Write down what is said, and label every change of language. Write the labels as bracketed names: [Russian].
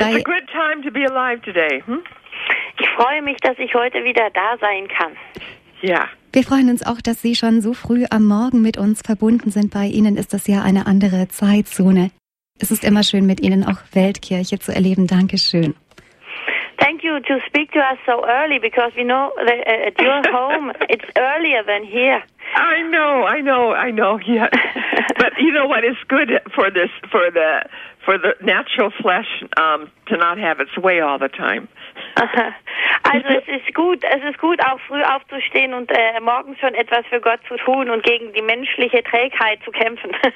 [English] it's a good time to be alive today. [German] Ich freue mich, dass ich heute wieder da sein kann. Ja. Yeah. Wir freuen uns auch, dass Sie schon so früh am Morgen mit uns verbunden sind. Bei Ihnen ist das ja eine andere Zeitzone. Es ist immer schön, mit Ihnen auch Weltkirche zu erleben. Dankeschön. [English] Thank you to speak to us so early, because we know that at your home it's earlier than here. I know. Yeah, but you know what is good for this, for the natural flesh, to not have its way all the time. [German] Also es ist gut auch früh aufzustehen und morgens schon etwas für Gott zu tun und gegen die menschliche Trägheit zu kämpfen.